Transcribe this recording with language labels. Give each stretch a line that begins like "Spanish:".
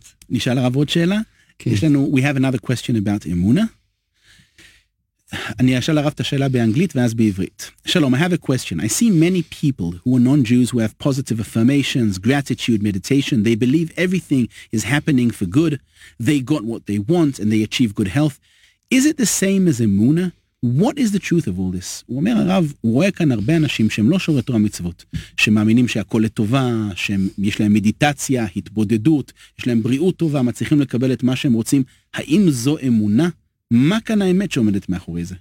English: We have another question about emuna.
Hebrew: אני אשאל הרב את השאלה באנגלית ואז בעברית.
English: שלום, I have a question. I see many people who are non-Jews who have positive affirmations, gratitude, meditation. They believe everything is happening for good. They got what they want and they achieve good health. Is it the same as אמונה? What is the truth of all this?
Hebrew: הוא אומר הרב, הוא רואה כאן הרבה אנשים שהם לא שורי תורה מצוות, שמאמינים שהכל לטובה, שיש להם מדיטציה, התבודדות, יש להם בריאות טובה, מצליחים לקבל את מה שהם רוצים. האם זו אמונה? מה כאן האמת שעומדת מאחורי זה?